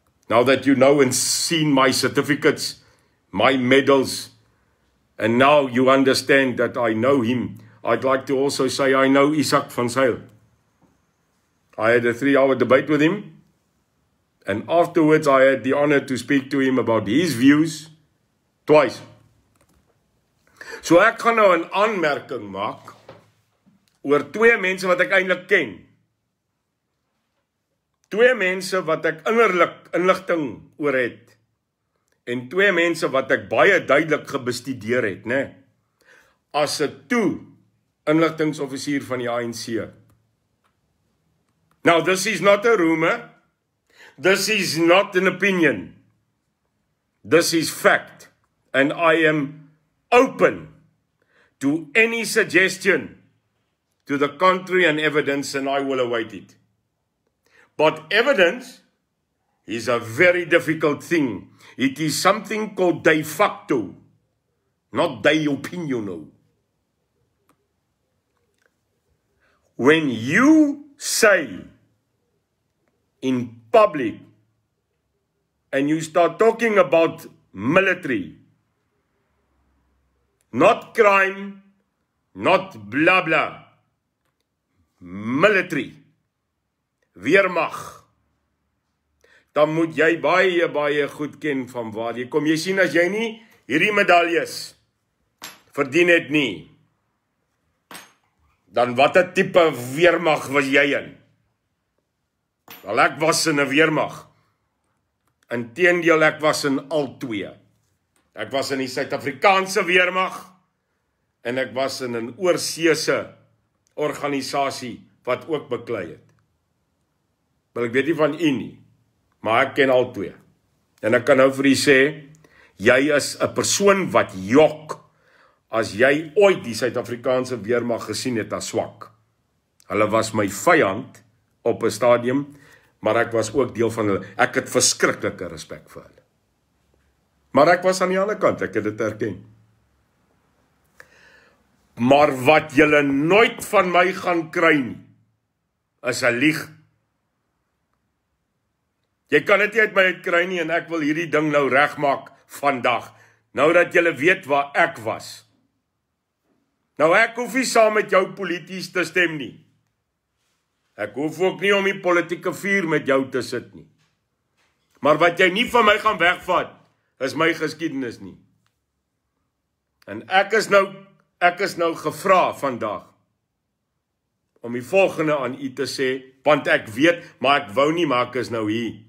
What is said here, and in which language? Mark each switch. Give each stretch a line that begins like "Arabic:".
English: Now that you know and seen my certificates, my medals, and now you understand that I know him, I'd like to also say I know Isaac van Sail. I had a 3-hour debate with him, and afterwards I had the honor to speak to him about his views twice.
Afrikaans: So ek gaan nou 'n aanmerking maak oor 2 mense wat ek eintlik ken. 2 mense wat ek innerlik inligting oor het, en 2 mense wat ek baie duidelik gebestudeer het, ne? As 'n toe inligtingsoffisier van die ANC.
English: Now, this is not a rumor. This is not an opinion. This is fact. And I am open to any suggestion to the contrary and evidence, and I will await it. But evidence is a very difficult thing. It is something called de facto, not de opinio. When you say in public and you start talking about military, not crime, not blah blah, military,
Afrikaans: Weermacht, dan moet jy baie, baie goed ken van waar jy kom. Jy sien, as jy nie hierdie medaljes verdien het nie, dan wat 'n type Weermacht was jy in? Wel, ek was in 'n Weermacht. Inteendeel, ek was in al 2. Ek was in die Suid-Afrikaanse Weermag en ek was in 'n oorseese organisasie wat ook beklei het. Wel, ek weet nie van u nie, maar ek ken al twee. En ek kan nou vir u sê, jy is 'n persoon wat jok as jy ooit die Suid-Afrikaanse Weermag gesien het as swak. Hulle was my vyand op 'n stadium, maar ek was ook deel van hulle. Ek het verskriklike respek vir hulle. Maar ek was aan die ander kant, ek het dit erken. Maar wat julle nooit van my gaan kry nie, is 'n lieg. Jy kan dit nie uit my kry nie en ek wil hierdie ding nou regmaak vandag. Nou dat julle weet waar ek was. Nou ek hoef nie saam met jou polities te stem nie. Ek hoef ook nie om die politieke vuur met jou te sit nie. Maar wat jy nie van my gaan wegvat, is my geskiedenis nie. En ek is nou gevra vandag om die volgende aan u te sê, want ek weet, maar ek wou nie, maar ek is nou hier.